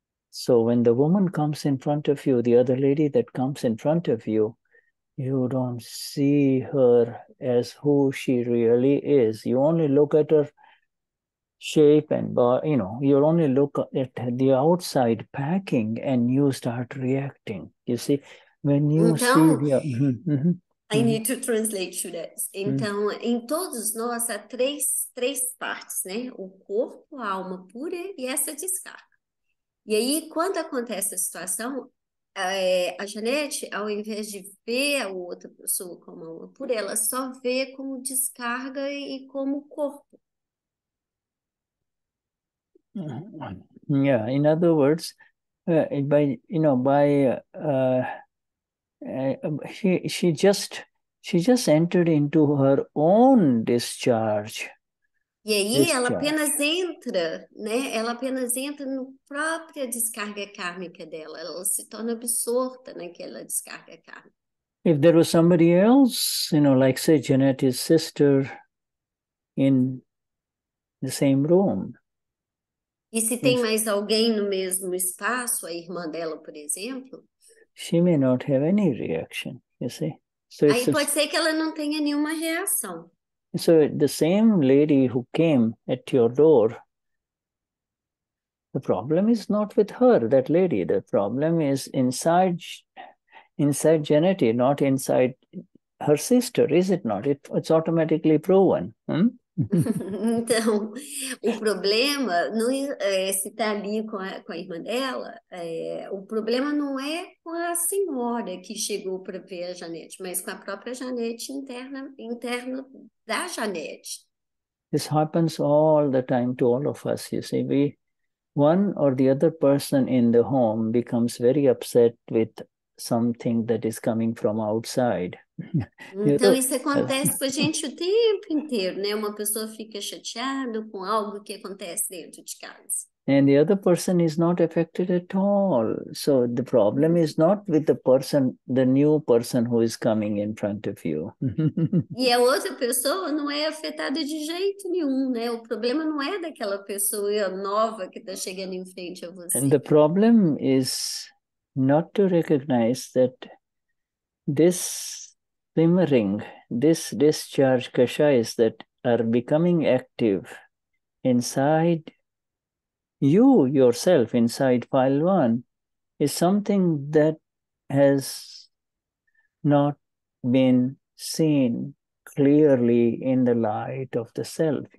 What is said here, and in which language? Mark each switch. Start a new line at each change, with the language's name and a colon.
English: So when the woman comes in front of you, the other lady that comes in front of you, you don't see her as who she really is. You only look at her shape and body, you know, you only look at the outside packing and you start reacting. You see, when you see the... I need to translate to that.
Portuguese: Então, em todos nós há três partes, né? O corpo, a alma pura e essa descarga. E aí, quando acontece a situação, a Janete, ao invés de ver a outra pessoa como alma pura, ela só vê como descarga e como corpo.
English: Yeah, in other words, she just entered into her own discharge.
Portuguese: E aí discharge. Ela apenas entra, né? Ela apenas entra na própria descarga kármica dela. Ela se torna absorta naquela descarga kármica.
English: If there was somebody else, you know, like say Janet's sister in the same room.
Portuguese: E se tem mais alguém no mesmo espaço, a irmã dela, por exemplo?
English: She may not have any reaction, you see?
Portuguese: So aí pode ser que ela não tenha nenhuma reação.
English: So the same lady who came at your door, the problem is not with her, that lady. The problem is inside Janati, not inside her sister, is it not? It's automatically proven.
Portuguese: Então, o problema não é se está ali com a irmã dela, o problema não é com a senhora que chegou para ver a Janete, mas com a própria Janete interna da Janete.
English: This happens all the time to all of us, you see. One or the other person in the home becomes very upset with something that is coming from outside.
Portuguese: Então, isso acontece com a gente o tempo inteiro, né? Uma pessoa fica chateada com algo que acontece dentro de casa.
English: And the other person is not affected at all. So, the problem is not with the person, the new person who is coming in front of you.
Portuguese: E a outra pessoa não é afetada de jeito nenhum, né? O problema não é daquela pessoa nova que está chegando em frente a você.
English: And the problem is not to recognize that this simmering, this discharge kashayas that are becoming active inside you yourself, inside file one, is something that has not been seen clearly in the light of the self.